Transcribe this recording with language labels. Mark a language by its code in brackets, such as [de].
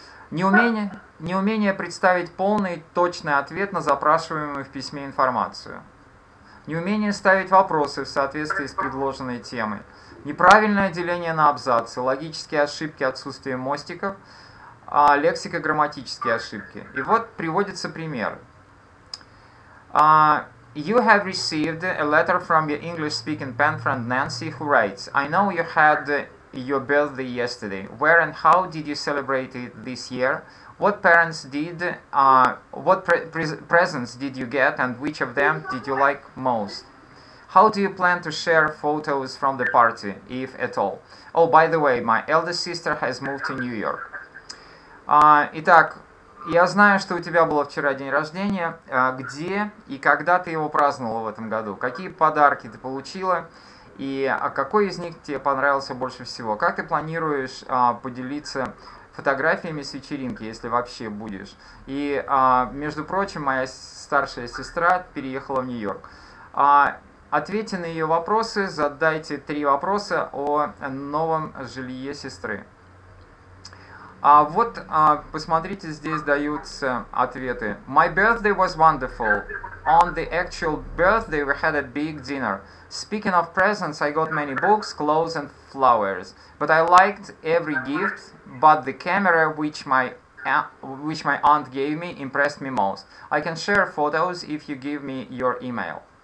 [ru] Неумение представить полный, точный ответ на запрашиваемую в письме информацию. Неумение ставить вопросы в соответствии с предложенной темой. Неправильное деление на абзацы, логические ошибки, отсутствие мостиков, лексико-грамматические ошибки. И вот приводится пример. [en] You have received a letter from your English-speaking pen friend Nancy, who writes, I know you had your birthday yesterday. Where and how did you celebrate it this year? What parents did, what presents did you get, and which of them did you like most? How do you plan to share photos from the party, if at all? Oh, by the way, my elder sister has moved to New York. [ru] Итак, я знаю, что у тебя было вчера день рождения. Где и когда ты его праздновала в этом году? Какие подарки ты получила? И какой из них тебе понравился больше всего? Как ты планируешь поделиться фотографиями с вечеринки, если вообще будешь? И, между прочим, моя старшая сестра переехала в Нью-Йорк. Ответьте на ее вопросы, задайте три вопроса о новом жилье сестры. Вот, посмотрите, здесь даются ответы. [en] My birthday was wonderful. On the actual birthday we had a big dinner. Speaking of presents, I got many books, clothes and flowers. But I liked every gift, but the camera which my aunt gave me impressed me most. I can share photos if you give me your email.